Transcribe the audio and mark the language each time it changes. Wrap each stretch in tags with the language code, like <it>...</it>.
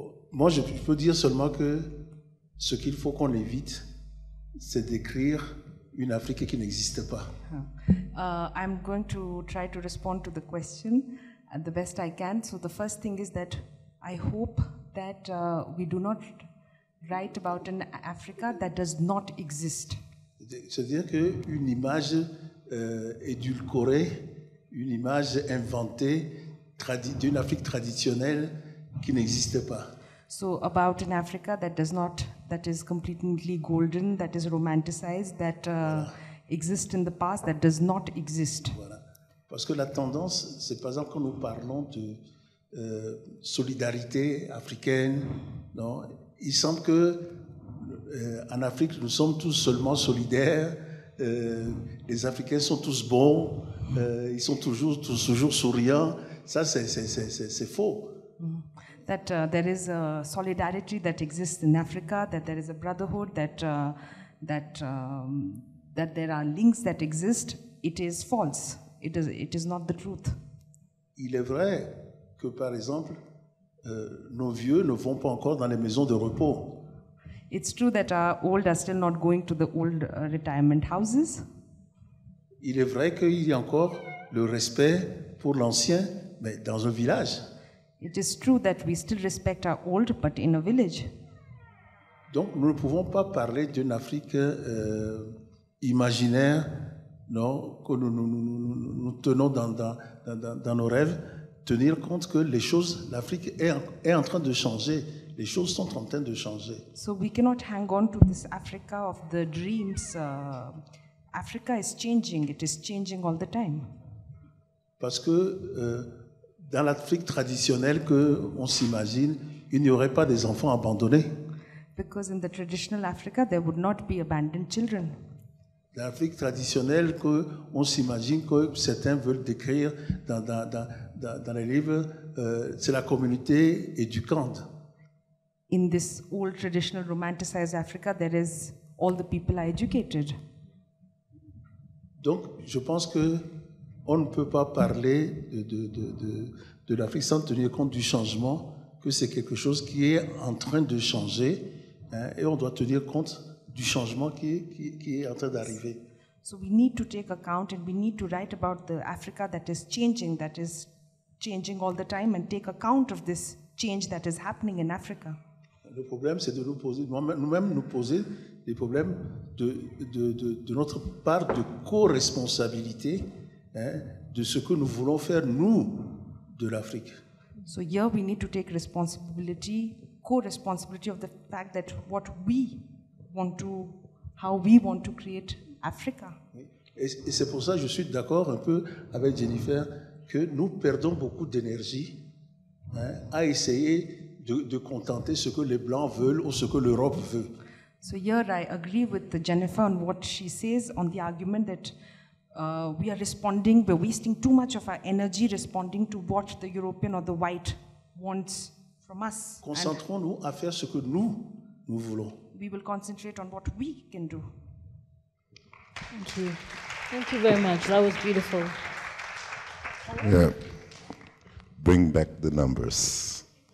<fr>Moi, je peux dire seulement que ce qu'il faut qu'on évite, c'est d'écrire une Afrique qui n'existe pas.</fr> <en>I'm going to try to respond to the question the best I can. So the first thing is that I hope that we do not write about an Africa that does not exist.</en> <fr>C'est-à-dire qu'une image édulcorée, une image inventée d'une Afrique traditionnelle qui n'existe pas.</fr> <en>So about an Africa that does not, that is completely golden, that is romanticized, that exists in the past, that does not exist.</en> <fr>Voilà. Parce que la tendance, c'est par exemple quand nous parlons de solidarité africaine, non, il semble que en Afrique nous sommes tous seulement solidaires, les Africains sont tous bons, ils sont toujours souriants. Ça, c'est faux.</fr> <en>That there is a solidarity that exists in Africa, that there is a brotherhood, that there are links that exist, it is false. It is not the truth.</en> <fr>Il est vrai que, par exemple, nos vieux ne vont pas encore dans les maisons de repos.</fr> <en>It's true that our old are still not going to the old retirement houses.</en> <fr>Il est vrai qu'il y a encore le respect pour l'ancien, mais dans un village.</fr> <en>It is true that we still respect our old, but in a village.</en> <fr>Donc, nous ne pouvons pas parler d'une Afrique imaginaire, non, que nous tenons dans nos rêves, tenir compte que les choses, l'Afrique est en train de changer. Les choses sont en train de changer.</fr> <en>So we cannot hang on to this Africa of the dreams. Africa is changing. It is changing all the time.</en> <fr>Parce que dans l'Afrique traditionnelle qu'on s'imagine, il n'y aurait pas des enfants abandonnés.</fr> <en>Because in the traditional Africa, there would not be abandoned children.</en> <fr>Dans l'Afrique traditionnelle qu'on s'imagine que certains veulent décrire dans les livres, c'est la communauté éducante.</fr> <en>In this old traditional romanticized Africa, there is all the people are educated.</en> <fr>Donc, je pense que on ne peut pas parler de l'Afrique sans tenir compte du changement, que c'est quelque chose qui est en train de changer, hein, et on doit tenir compte du changement qui est en train d'arriver.</fr> <en>So we need to take account and we need to write about the Africa that is changing all the time, and take account of this change that is happening in Africa.</en> <fr>Le problème, c'est de nous-mêmes nous poser des problèmes de notre part de co-responsabilité. Hein, de ce que nous voulons faire, nous, de l'Afrique.</fr> <en>So here we need to take responsibility co-responsibility of the fact that what we want to, how we want to create Africa.</en> <fr>Et c'est pour ça que je suis d'accord un peu avec Jennifer que nous perdons beaucoup d'énergie hein, à essayer de contenter ce que les Blancs veulent ou ce que l'Europe veut.</fr> <en>So here I agree with Jennifer on what she says on the argument that we are responding, we're wasting too much of our energy responding to what the European or the white wants from us.</en> <fr>Concentrons-nous à faire ce que nous, nous voulons.</fr> <en>We will concentrate on what we can do. Thank you. Thank you very much. That was beautiful. Yeah. Bring back the numbers.</en>